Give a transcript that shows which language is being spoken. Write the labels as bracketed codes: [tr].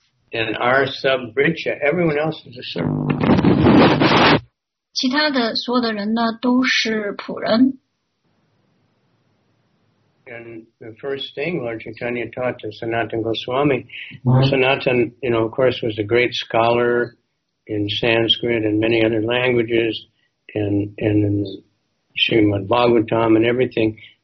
[en] And our sub-bricha, everyone else is a servant. [zh] 其他的所有的人呢都是仆人。 [en] And the first thing Lord Chaitanya taught to Sanatan Goswami, Sanatan, you know, of course, was a great scholar in Sanskrit and many other languages, and in Srimad Bhagavatam and everything.